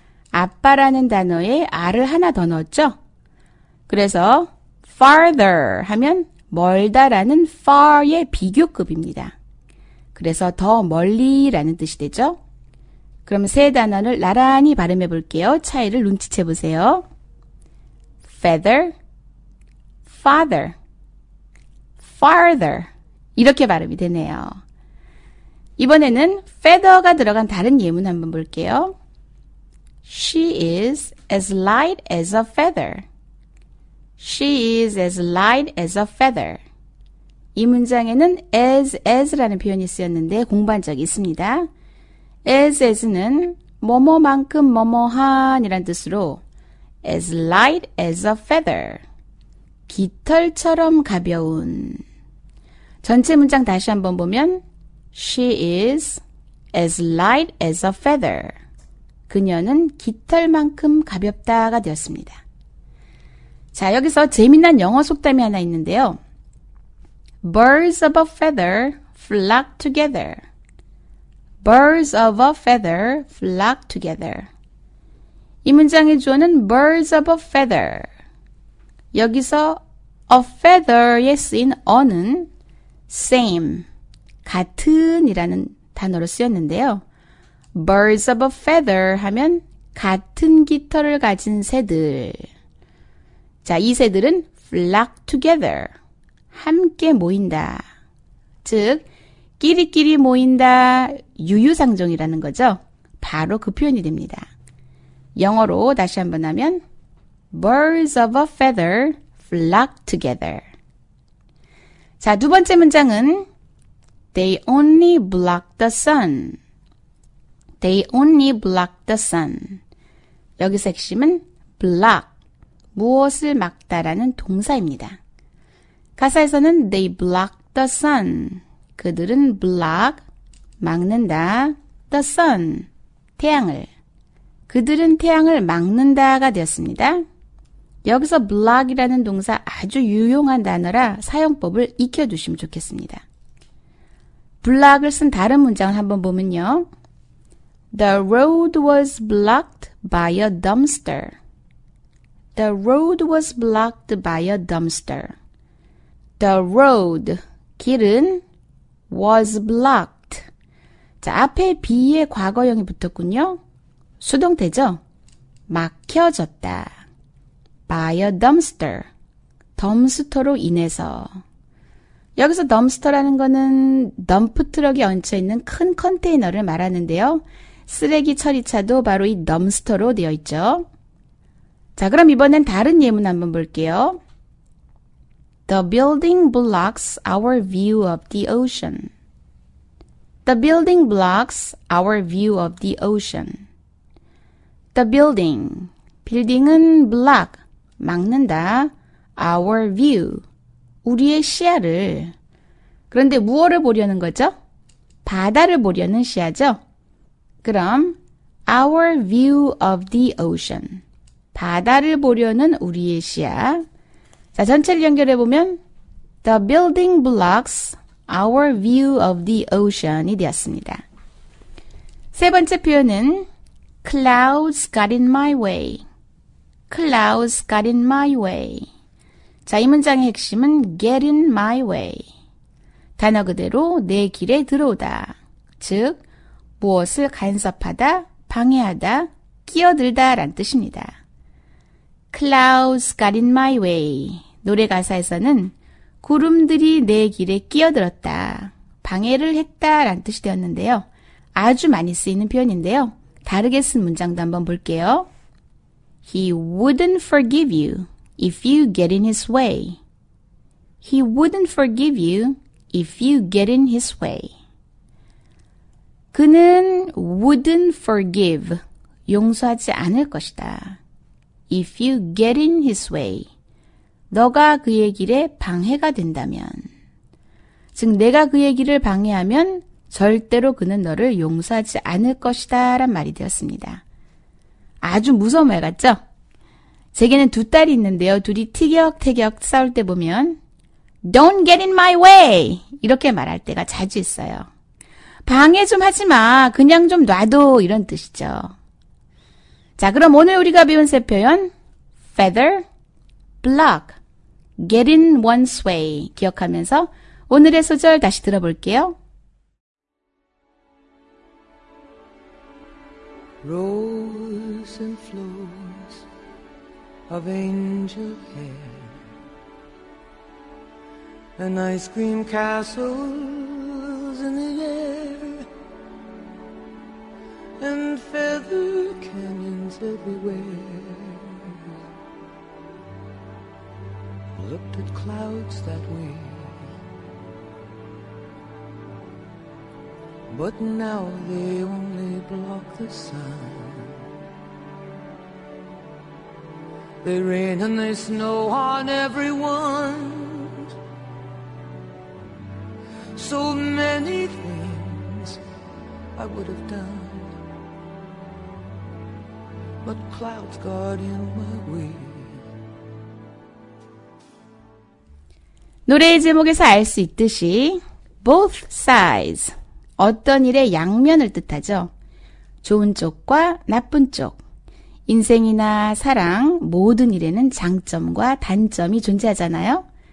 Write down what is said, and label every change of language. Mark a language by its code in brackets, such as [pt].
[ko] 아빠라는 단어에 R을 하나 더 넣었죠? 그래서 farther 하면 멀다라는 far의 비교급입니다. 그래서 더 멀리라는 뜻이 되죠? 그럼 세 단어를 나란히 발음해 볼게요. 차이를 눈치채 보세요. [en] Feather, Father, Farther. [ko] 이렇게 발음이 되네요. 이번에는 Feather가 들어간 다른 예문 한번 볼게요. [en] She is as light as a feather. She is as light as a feather. [ko] 이 문장에는 as라는 표현이 쓰였는데 공부한 적이 있습니다. As는 뭐뭐만큼 뭐뭐한이란 뜻으로 [en] as light as a feather, [ko] 깃털처럼 가벼운. 전체 문장 다시 한번 보면 [en] She is as light as a feather. [ko] 그녀는 깃털만큼 가볍다가 되었습니다. 자, 여기서 재미난 영어 속담이 하나 있는데요. [en] Birds of a feather flock together. Birds of a feather flock together. [ko] 이 문장의 주어는 [en] birds of a feather. [ko] 여기서 A feather에 쓰인 on은 same, 같은이라는 단어로 쓰였는데요. [en] Birds of a feather [ko] 하면 같은 깃털을 가진 새들. 자, 이 새들은 flock together, 함께 모인다. 즉, 끼리끼리 모인다, 유유상종이라는 거죠. 바로 그 표현이 됩니다. 영어로 다시 한번 하면 [en] Birds of a feather flock together. [ko] 자, 두 번째 문장은 [en] They only block the sun. They only block the sun. [ko] 여기서 핵심은 block, 무엇을 막다라는 동사입니다. 가사에서는 They block the sun. 그들은 block, 막는다, the sun, 태양을. 그들은 태양을 막는다가 되었습니다. 여기서 block이라는 동사 아주 유용한 단어라 사용법을 익혀두시면 좋겠습니다. block을 쓴 다른 문장을 한번 보면요. [en] The road was blocked by a dumpster. The road was blocked by a dumpster. The road, [ko] 길은 [en] was blocked. [ko] 자, 앞에 be의 과거형이 붙었군요. 수동태죠? 막혀졌다. [en] By a dumpster. [ko] 덤스터로 인해서. 여기서 덤스터라는 거는 덤프트럭이 얹혀있는 큰 컨테이너를 말하는데요. 쓰레기 처리차도 바로 이 덤스터로 되어 있죠. 자, 그럼 이번엔 다른 예문 한번 볼게요. [en] The building blocks our view of the ocean. The building blocks our view of the ocean. The building. [ko] Building은 block, 막는다. [en] Our view. [ko] 우리의 시야를. 그런데 무엇을 보려는 거죠? 바다를 보려는 시야죠. 그럼 [en] our view of the ocean. [ko] 바다를 보려는 우리의 시야. 자, 전체를 연결해 보면 [en] the building blocks our view of the ocean이 되었습니다. [ko] 세 번째 표현은 [en] clouds got in my way. clouds got in my way. [ko] 자, 이 문장의 핵심은 get in my way. 단어 그대로 내 길에 들어오다. 즉 무엇을 간섭하다, 방해하다, 끼어들다 란 뜻입니다. [en] Clouds got in my way. [ko] 노래 가사에서는 구름들이 내 길에 끼어들었다, 방해를 했다 란 뜻이 되었는데요. 아주 많이 쓰이는 표현인데요. 다르게 쓴 문장도 한번 볼게요. [en] He wouldn't forgive you if you get in his way. He wouldn't forgive you if you get in his way. [ko] 그는 wouldn't forgive, 용서하지 않을 것이다. [en] If you get in his way, [ko] 너가 그의 길에 방해가 된다면. 즉, 내가 그의 길을 방해하면 절대로 그는 너를 용서하지 않을 것이다 란 말이 되었습니다. 아주 무서운 말 같죠? 제게는 두 딸이 있는데요. 둘이 티격태격 싸울 때 보면 [en] Don't get in my way! [ko] 이렇게 말할 때가 자주 있어요. 방해 좀 하지 마. 그냥 좀 놔둬. 이런 뜻이죠. 자, 그럼 오늘 우리가 배운 새 표현 feather, block, [en] get in one's way [ko] 기억하면서 오늘의 소절 다시 들어볼게요. [en] Rolls and flows of angel hair And ice cream castles in the air And feather canyons everywhere Looked at clouds that way But now they only block the sun They rain and they snow on everyone So many things I would have done But clouds got in my way. [ko] 노래의 제목에서 알 수 있듯이 both sides, 어떤 일의 양면을 뜻하죠. 좋은 쪽과 나쁜 쪽, 인생이나 사랑 모든 일에는 장점과 단점이 존재하잖아요.